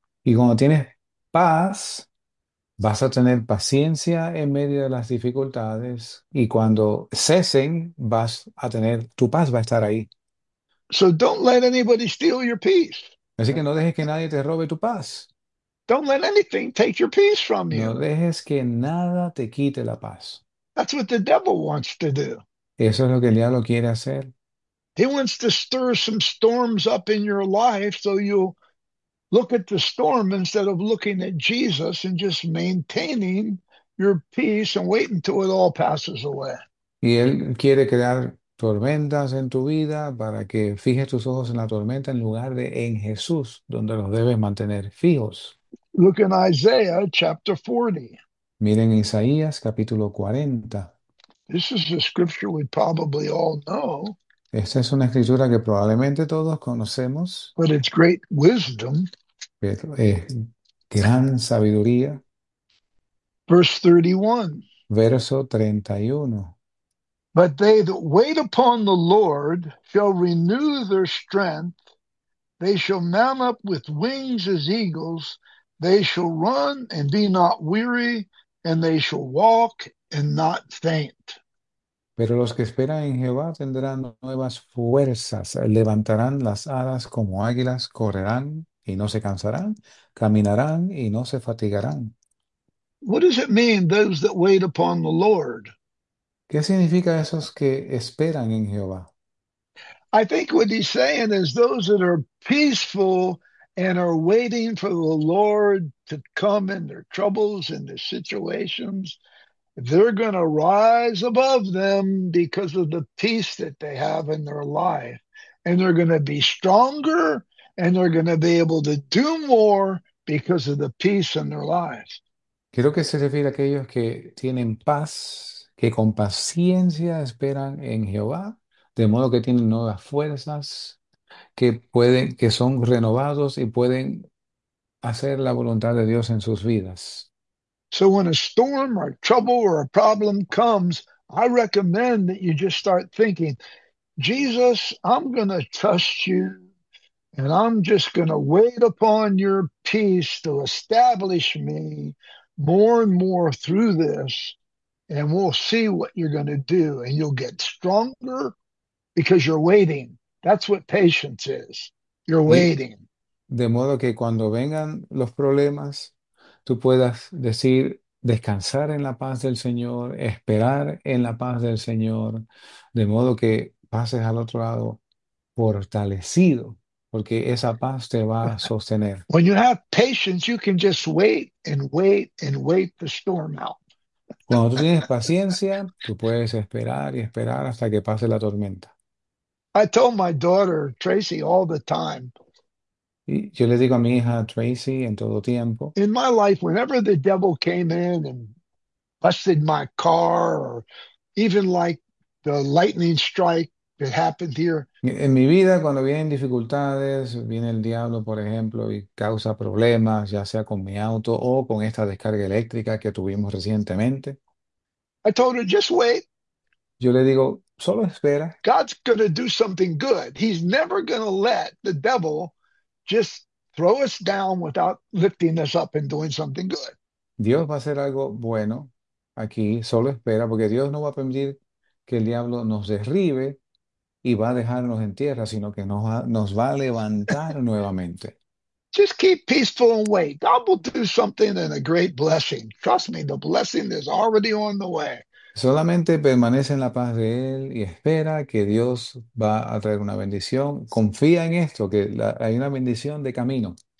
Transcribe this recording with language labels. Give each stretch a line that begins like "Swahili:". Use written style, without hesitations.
Spanish: Y cuando tienes paz, vas a tener paciencia en medio de las dificultades y cuando cesen, tu paz va a estar ahí.
English: So don't let anybody steal your peace.
Spanish: Así que no dejes que nadie te robe tu paz.
English: Don't let anything take your peace from
Spanish: No
English: you.
Spanish: dejes que nada te quite la paz.
English: That's what the devil wants to do.
Spanish: Eso es lo que el diablo quiere hacer.
English: He wants to stir some storms up in your life so you'll look at the storm instead of looking at Jesus and just maintaining your peace and wait until it all passes away.
Spanish: Y él quiere crear tormentas en tu vida para que fijes tus ojos en la tormenta en lugar de en Jesús, donde los debes mantener fijos.
English: Look in Isaiah chapter 40.
Spanish: Miren Isaías capítulo 40.
English: This is a scripture we probably all know,
Spanish: Esta es una escritura que probablemente todos conocemos.
English: but it's great wisdom.
Spanish: Gran sabiduría.
English: Verse 31.
Spanish: Verso 31.
English: But they that wait upon the Lord shall renew their strength. They shall mount up with wings as eagles. They shall run and be not weary, and they shall walk and not faint.
Spanish: Pero los que esperan en Jehová tendrán nuevas fuerzas, levantarán las alas como águilas, correrán y no se cansarán, caminarán y no se fatigarán.
English: What does it mean, those that wait upon the Lord?
Spanish: ¿Qué significa esos que esperan en Jehová?
English: I think what he's saying is those that are peaceful and are waiting for the Lord to come in their troubles and their situations, they're going to rise above them because of the peace that they have in their life. And they're going to be stronger and they're going to be able to do more because of the peace in their lives.
Spanish: Creo que se refiere a aquellos que tienen paz, que con paciencia esperan en Jehová, de modo que tienen nuevas fuerzas, que son renovados y pueden hacer la voluntad de Dios en sus vidas.
English: So when a storm or trouble or a problem comes, I recommend that you just start thinking, Jesus, I'm going to trust you, and I'm just going to wait upon your peace to establish me more and more through this, and we'll see what you're going to do. And you'll get stronger because you're waiting. That's what patience is. You're
Spanish: Y
English: waiting.
Spanish: de modo que cuando vengan los problemas, tú puedas decir, descansar en la paz del Señor, esperar en la paz del Señor, de modo que pases al otro lado fortalecido, porque esa paz te va a sostener.
English: When you have patience, you can just wait and wait and wait the storm out.
Spanish: Cuando tú tienes paciencia, tú puedes esperar y esperar hasta que pase la tormenta.
English: I told my daughter Tracy all the time.
Spanish: Yo le digo a mi hija Tracy en todo tiempo.
English: In my life, whenever the devil came in and busted my car, or even like the lightning strike that happened here.
Spanish: En mi vida, cuando vienen dificultades, viene el diablo, por ejemplo, y causa problemas, ya sea con mi auto o con esta descarga eléctrica que tuvimos recientemente.
English: I told her, just wait.
Spanish: Yo le digo, solo espera.
English: God's going to do something good. He's never going to let the devil just throw us down without lifting us up and doing something good.
Spanish: Dios va a hacer algo bueno aquí, solo espera, porque Dios no va a permitir que el diablo nos derribe y va a dejarnos en tierra, sino que nos va a levantar nuevamente.
English: Just keep peaceful and wait. God will do something and a great blessing. Trust me, the blessing is already on the way.
Spanish: Solamente permanece en la paz de él y espera que Dios va a traer una bendición. Confía en esto, que hay una bendición de camino.